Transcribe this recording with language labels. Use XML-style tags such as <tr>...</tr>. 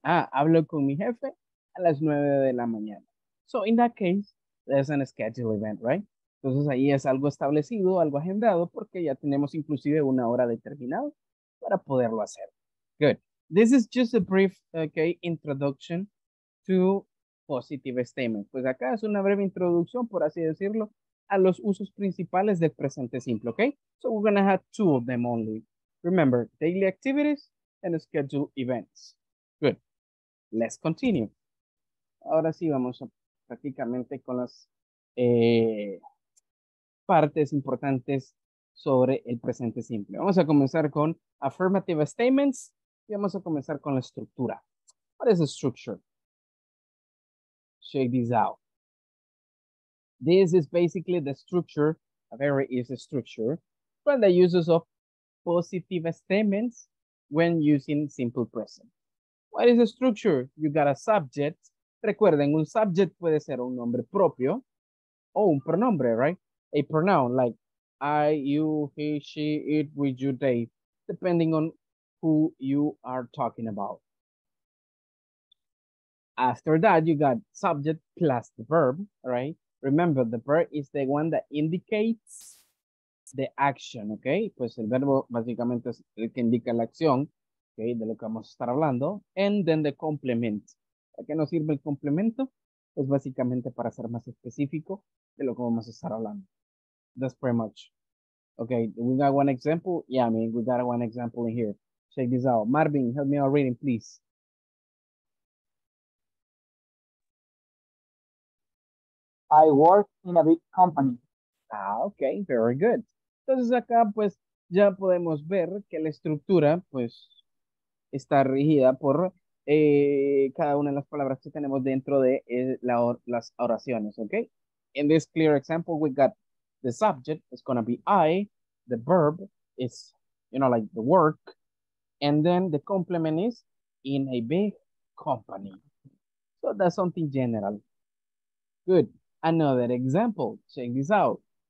<es>Hablo con mi jefe a las 9 de la mañana.</es> <en>So in that case, there's a schedule event, right?</en> <es>Entonces ahí es algo establecido, algo agendado, porque ya tenemos inclusive una hora determinada para poderlo hacer.</es> <en>Good. This is just a brief, okay, introduction to positive statement.</en> <es>Pues acá es una breve introducción, por así decirlo, a los usos principales del presente simple, okay?</es> <en>So we're gonna have two of them only. Remember, daily activities and schedule events. Good. Let's continue.</en> <es>ahora sí vamos a, prácticamente con las partes importantes sobre el presente simple. Vamos a comenzar con</es> <en>affirmative statements</en> <es>y vamos a comenzar con la estructura.</es> <en>What is the structure? Check this out. This is basically the structure, a very easy structure, for the uses of positive statements when using simple present. What is the structure? You got a subject.</en> <es>Recuerden, un subject puede ser un nombre propio o un pronombre, right?</es> <en>A pronoun like I, you, he, she, it, we, you, they, depending on who you are talking about. After that, you got subject plus the verb, right? Remember, the verb is the one that indicates the action, okay?</en> <es>Pues el verbo básicamente es el que indica la acción, okay, de lo que vamos a estar hablando.</es> <en>And then the complement.</en> <es>¿A qué nos sirve el complemento? Pues básicamente para ser más específico de lo que vamos a estar hablando.</es> <en>That's pretty much. Okay, we got one example. Yeah, I mean, we got one example in here. Check this out. Marvin, help me out reading, please. I work in a big company. Ah, okay, very good.</en> <es>Entonces acá, pues, ya podemos ver que la estructura, pues, está regida por cada una de las palabras que tenemos dentro de las oraciones, okay?</es> <en>In this clear example, we got the subject is going to be I, the verb is, you know, like the work, and then the complement is in a big company. So that's something general. Good. Another example. Check this out.</en>